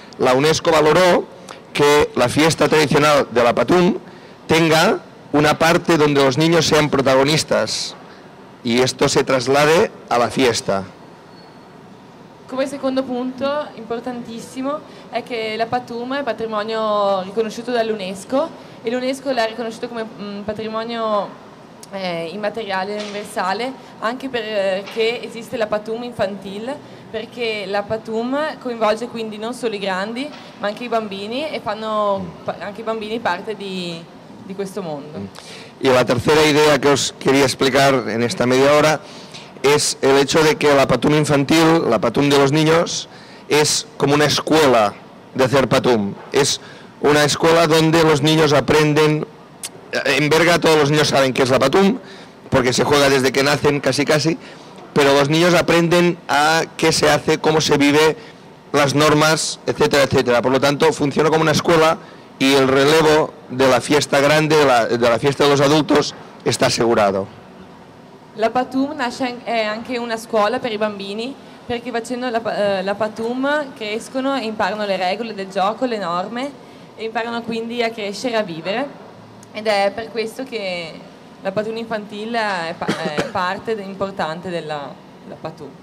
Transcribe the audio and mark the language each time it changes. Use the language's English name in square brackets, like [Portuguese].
[Spanish] La UNESCO valoró que la fiesta tradicional de la Patum tenga una parte donde los niños sean protagonistas y esto se traslade a la fiesta. [Italian] Come secondo punto importantissimo è che la Patum è patrimonio riconosciuto dall'UNESCO e l'UNESCO l'ha riconosciuto come patrimonio immateriale universale anche perché esiste la Patum infantil, perché la Patum coinvolge quindi non solo i grandi ma anche i bambini e fanno anche i bambini parte di questo mondo. [Spanish] E la terza idea che os quería explicar en esta media hora es el hecho de que la Patum infantil, la Patum de los niños, es como una escuela de hacer Patum. Es una escuela donde los niños aprenden. En Berga todos los niños saben qué es la Patum, porque se juega desde que nacen casi casi, pero los niños aprenden a qué se hace, cómo se vive, las normas, etcétera, etcétera. Por lo tanto, funciona como una escuela y el relevo de la fiesta grande, de la fiesta de los adultos, está asegurado. [Italian] La Patum è anche una scuola per i bambini, perché facendo la Patum crescono e imparano le regole del gioco, le norme, e imparano quindi a crescere, a vivere. Ed è per questo che la Patum infantil è parte importante della Patum.